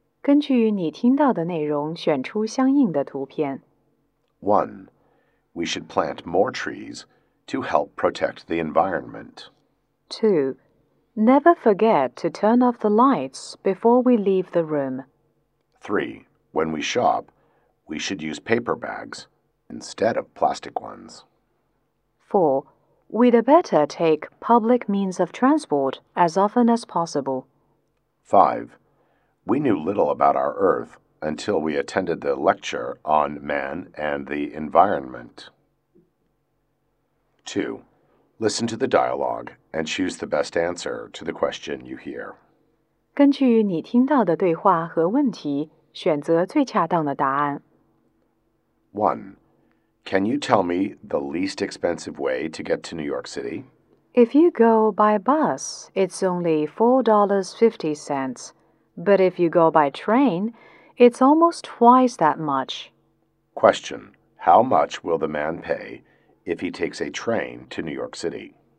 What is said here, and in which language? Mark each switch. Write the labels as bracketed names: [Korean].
[Chinese] 根据你听到的内容选出相应的图片。 [English] 1. We should plant more trees to help protect the environment. 2. Never forget to turn off the lights before we leave the room. 3. When we shop, we should use paper bags instead of plastic ones. 4. We'd better take public means of transport as often as possible. 5. We knew little about our Earth until we attended the lecture on man and the environment. 2. Listen to the dialogue and choose the best answer to the question you hear. [Chinese] 根据你听到的对话和问题，选择最恰当的答案。 [English] 1. Can you tell me the least expensive way to get to New York City? If you go by bus, it's only $4.50. But if you go by train, it's almost twice that much. Question: How much will the man pay if he takes a train to New York City?